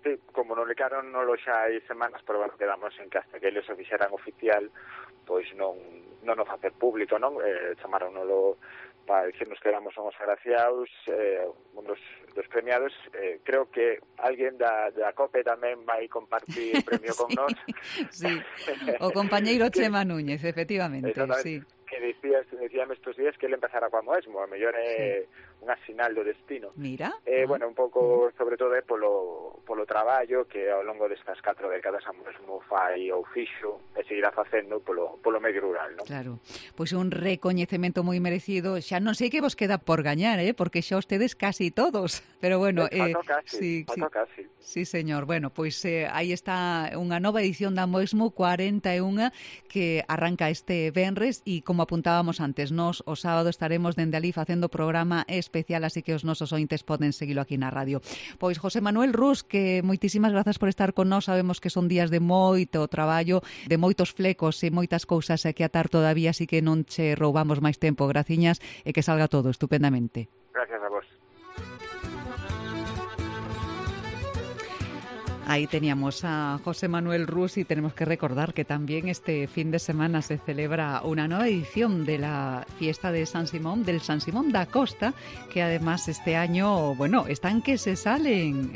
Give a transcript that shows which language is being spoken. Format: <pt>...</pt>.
<gl>Como non lecaron, non lo xa hai semanas, pero bueno, quedamos en que hasta que eles o fixeran oficial, pois non o facer público, non? Chamáronolo para dicirnos que éramos unos agraciados, dos premiados. Creo que alguien da COPE tamén vai compartir el premio sí, con nós. Sí, o compañeiro Chema Núñez, efectivamente, sí. Que decíame estos días que ele empezara coa Moesmo, a mellor é unha sinal do destino. Mira. Bueno, un pouco, sobre todo, polo traballo que ao longo destas 4 décadas a Moesmo fai ou fixo e seguirá facendo polo medio rural, ¿no? Claro. Pois un recoñecemento moi merecido. Xa non sei que vos queda por gañar, porque xa ustedes casi todos. Pero bueno, Faltou casi. Sí, señor. Bueno, pois aí está unha nova edición da Moesmo 41 que arranca este venres e como apuntábamos antes, nos o sábado estaremos dende alí facendo programa especial, así que os nosos ointes poden seguilo aquí na radio. Pois José Manuel Rus, que moitísimas grazas por estar con nós. Sabemos que son días de moito traballo, de moitos flecos e moitas cousas aquí atar todavía, así que non che roubamos máis tempo, graciñas, e que salga todo estupendamente. Gracias a vos.</gl> <es>Ahí teníamos a José Manuel Rus y tenemos que recordar que también este fin de semana se celebra una nueva edición de la fiesta de San Simón, del San Simón da Costa, que además este año, bueno, están que se salen.</es>